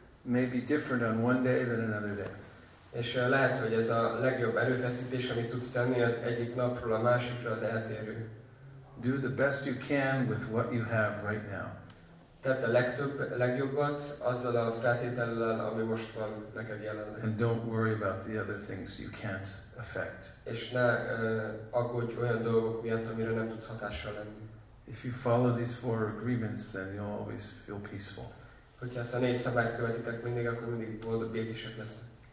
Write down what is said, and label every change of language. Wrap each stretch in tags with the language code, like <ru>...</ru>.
<en>may be different on one day than another day.</en> <hu>És lehet, hogy ez a legjobb erőfeszítés, amit tudsz tenni, az egyik napról a másikra az eltérő.</hu> <en>Do the best you can with what you have right now.</en> <hu>Tedd a legjobbat azzal a feltétellel, ami most van neked jelenleg.</hu> <en>And don't worry about the other things you can't affect.</en> <hu>És ne aggódj olyan dolgok miatt, amire nem tudsz hatással lenni.</hu> <en>If you follow these four agreements, then you'll always feel peaceful.</en> <hu>Hogyha ezt a négy szabályt követitek mindig, akkor mindig boldog, békések lesznek.</hu>